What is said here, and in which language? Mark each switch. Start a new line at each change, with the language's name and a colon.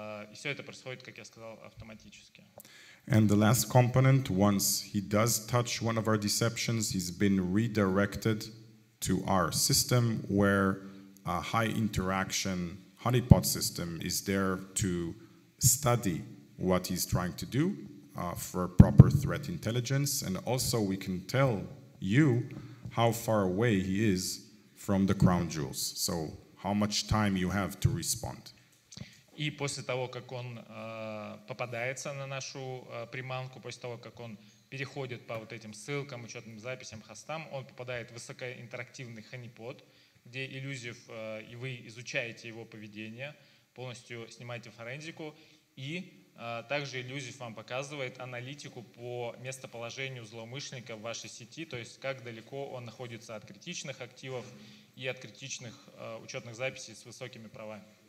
Russian: И все это происходит, как я сказал, автоматически.
English: And the last component, once he does touch one of our deceptions, he's been redirected to our system where a high interaction honeypot system is there to study what he's trying to do for proper threat intelligence. And also we can tell you how far away he is from the crown jewels. So how much time you have to respond.
Russian: И после того, как он попадается на нашу приманку, после того, как он переходит по вот этим ссылкам, учетным записям, хостам, он попадает в высокоинтерактивный ханипот, где иллюзив, и вы изучаете его поведение, полностью снимаете форензику, и также иллюзив вам показывает аналитику по местоположению злоумышленника в вашей сети, то есть как далеко он находится от критичных активов и от критичных учетных записей с высокими правами.